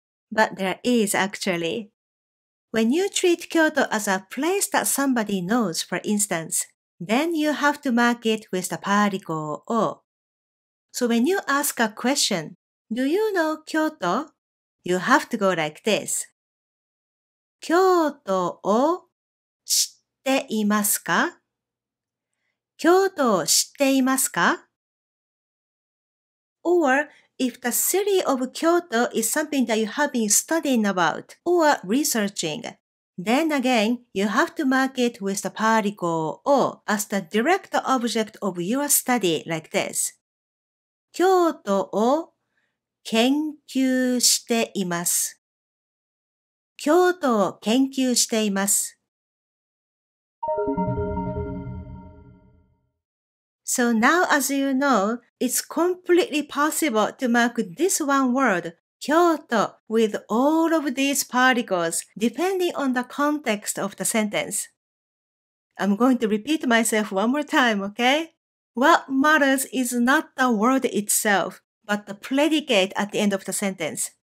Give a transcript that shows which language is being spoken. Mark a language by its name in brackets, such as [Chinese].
[English] But there is actually. When you treat Kyoto as a place that somebody knows, for instance, then you have to mark it with the particle を. So when you ask a question, do you know Kyoto? You have to go like this. [Japanese] 京都を知っていますか？京都を知っていますか？ [English] Or if the city of Kyoto is something that you have been studying about or researching, then again, you have to mark it with the particle を as the direct object of your study like this. [Japanese] 京都を研究しています。京都を研究しています。 [English] So now as you know, it's completely possible to mark this one word, 京都, with all of these particles, depending on the context of the sentence. I'm going to repeat myself one more time, okay? What matters is not the word itself, but the predicate at the end of the sentence.